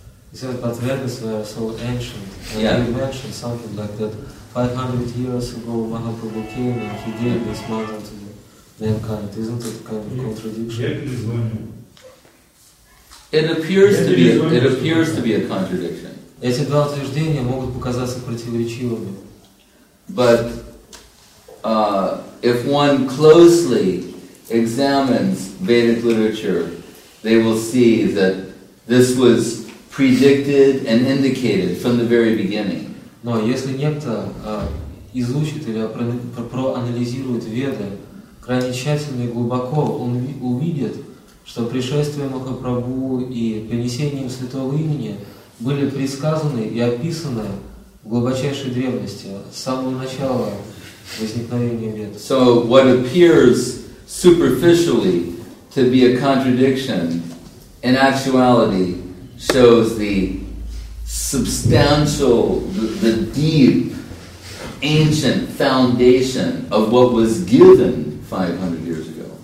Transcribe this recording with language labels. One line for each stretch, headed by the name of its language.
English: He says, but Vedas were so ancient. And yeah. You mentioned something like that. 500 years ago, Mahaprabhu came and he gave this mantra to the mankind. Isn't it kind of contradiction? It appears to be a contradiction.
Russian: Эти два утверждения могут показаться противоречивыми.
English: But if one closely examines Vedic literature, they will see that this was predicted and indicated from the very beginning.
Russian: Но если некто изучит или проанализирует Веды крайне тщательно и глубоко, он увидит, что пришествие Махапрабху и принесение им святого имени были предсказаны и описаны в глубочайшей древности, с самого начала возникновения Вед.
English: So what appears superficially to be a contradiction, in actuality shows the substantial, the deep, ancient foundation of what was given 500 years ago.